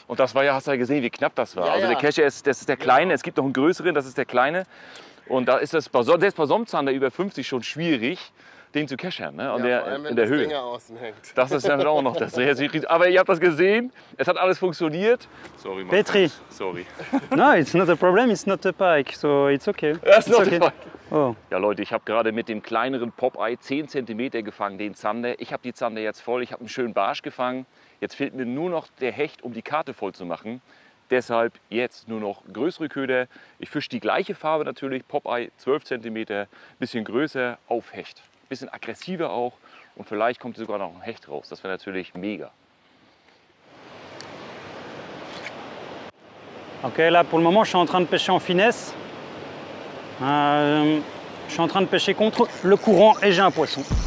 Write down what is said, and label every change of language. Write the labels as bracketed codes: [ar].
[de] Und das war ja, hast du ja gesehen, wie knapp das war. Ja, also ja, der Kescher, das ist der Kleine, ja, es gibt noch einen größeren, das ist der Kleine. Und da ist das selbst bei Somzander über 50 schon schwierig, den zu keschern, ne? Und ja, der, vor allem, wenn in der das Höhe. Dinger außen hängt. Das ist dann auch noch das. Aber ihr habt das gesehen, es hat alles funktioniert. Sorry, Mann. Petri. [en] Sorry. No, it's not a problem, it's not a pike, so it's okay. That's not okay. A pike. Oh. [de] Ja, Leute, ich habe gerade mit dem kleineren Popeye 10 cm gefangen, den Zander. Ich habe die Zander jetzt voll, ich habe einen schönen Barsch gefangen. Jetzt fehlt mir nur noch der Hecht, um die Karte voll zu machen. Deshalb jetzt nur noch größere Köder. Ich fische die gleiche Farbe natürlich, Popeye 12 cm, bisschen größer auf Hecht. Bisschen aggressiver auch und vielleicht kommt sogar noch ein Hecht raus. Das wäre natürlich mega. [fr] Okay, là pour le moment, je suis en train de pêcher en finesse. Je suis en train de pêcher contre le courant et j'ai un poisson.